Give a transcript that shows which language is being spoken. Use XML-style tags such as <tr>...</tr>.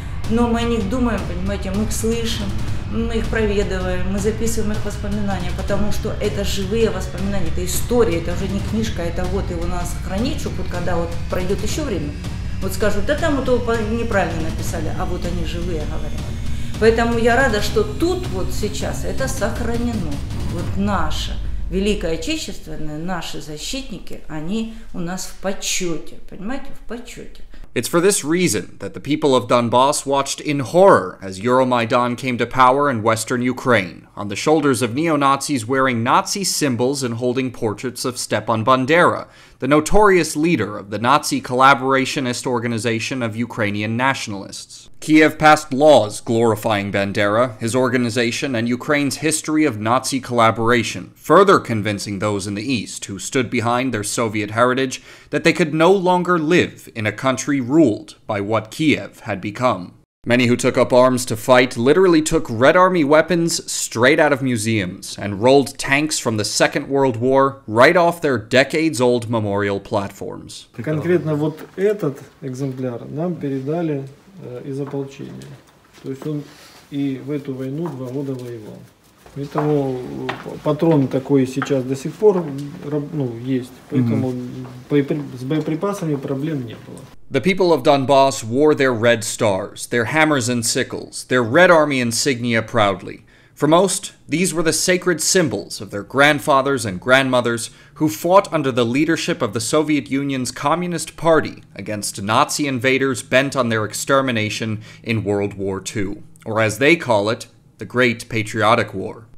<ru>Но мы о них думаем, понимаете, мы их слышим, мы их проведываем, мы записываем их воспоминания, потому что это живые воспоминания, это история, это уже не книжка, это вот его надо сохранить, чтобы вот когда вот пройдет еще время, вот скажут, да там вот его неправильно написали, а вот они живые говорят. Поэтому я рада, что тут вот сейчас это сохранено, вот наше. Великое Отечественное, наши защитники, они у нас в почете, понимаете, в почете.</ru> <en>It's for this reason that the people of Donbass watched in horror as Euromaidan came to power in western Ukraine, on the shoulders of neo-Nazis wearing Nazi symbols and holding portraits of Stepan Bandera, the notorious leader of the Nazi collaborationist organization of Ukrainian nationalists. Kiev passed laws glorifying Bandera, his organization, and Ukraine's history of Nazi collaboration, further convincing those in the East who stood behind their Soviet heritage that they could no longer live in a country ruled by what Kiev had become. Many who took up arms to fight literally took Red Army weapons straight out of museums and rolled tanks from the Second World War right off their decades-old memorial platforms.</en> <ru>Конкретно вот этот экземпляр нам передали из ополчения. То есть он и в эту войну два года воевал. Поэтому патрон такой сейчас до сих пор, ну, есть. Поэтому с боеприпасами проблем не было.</ru> <en>The people of Donbass wore their red stars, their hammers and sickles, their Red Army insignia proudly. For most, these were the sacred symbols of their grandfathers and grandmothers who fought under the leadership of the Soviet Union's Communist Party against Nazi invaders bent on their extermination in World War II, or as they call it, the Great Patriotic War.</en>